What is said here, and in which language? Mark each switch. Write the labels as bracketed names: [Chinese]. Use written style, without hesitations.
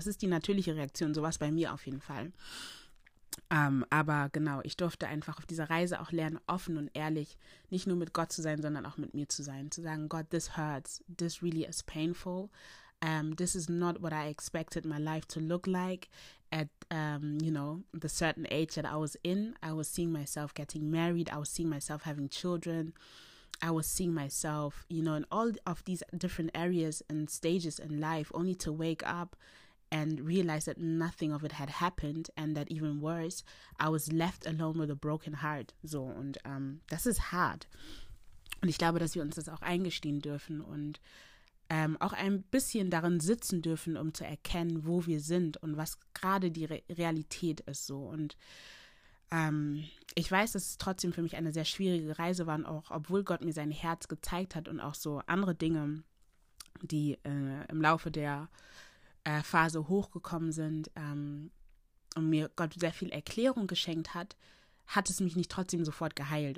[German] Das ist die natürliche Reaktion, sowas bei mir auf jeden Fall. Aber genau, ich durfte einfach auf dieser Reise auch lernen, offen und ehrlich, nicht nur mit Gott zu sein, sondern auch mit mir zu sein, zu sagen, [English] God, this hurts, this really is painful, this is not what I expected my life to look like at, you know, the certain age that I was in. I was seeing myself getting married, I was seeing myself having children, I was seeing myself, you know, in all of these different areas and stages in life, only to wake up and realize that nothing of it had happened and that even worse, I was left alone with a broken heart. [German] So, und das ist hart. Und ich glaube, dass wir uns das auch eingestehen dürfen und auch ein bisschen darin sitzen dürfen, um zu erkennen, wo wir sind und was gerade die Realität ist. So. Und ich weiß, dass es trotzdem für mich eine sehr schwierige Reise war, und auch obwohl Gott mir sein Herz gezeigt hat und auch so andere Dinge, die im Laufe der Phase hochgekommen sind und mir Gott sehr viel Erklärung geschenkt hat, hat es mich nicht trotzdem sofort geheilt.